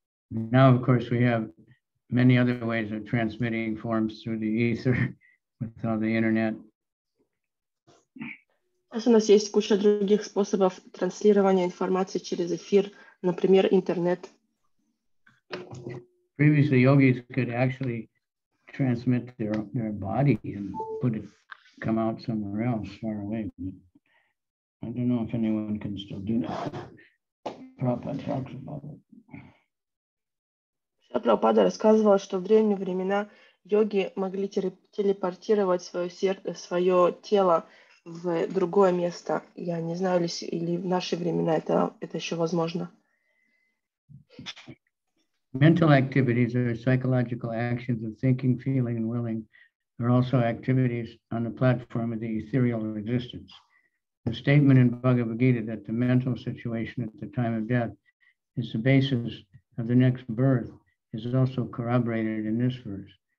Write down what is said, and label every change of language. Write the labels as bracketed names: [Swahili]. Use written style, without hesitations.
[English] Now, of course, we have many other ways of transmitting forms through the ether with all the internet. [Russian] Сейчас у нас есть куча других способов транслирования информации через эфир, например, интернет. [English] Previously, yogis could actually transmit their body and put it, come out somewhere else, far away. But I don't know if anyone can still do that. Prabhupada talks about it. [Russian] Прабхупада рассказывал, что в древние времена йоги могли телепортировать свое тело в другое место. Я не знаю, или в наши времена это еще возможно. [English] Mental activities or psychological actions of thinking, feeling, and willing are also activities on the platform of the ethereal existence. The statement in Bhagavad Gita that the mental situation at the time of death is the basis of the next birth is also corroborated in this verse.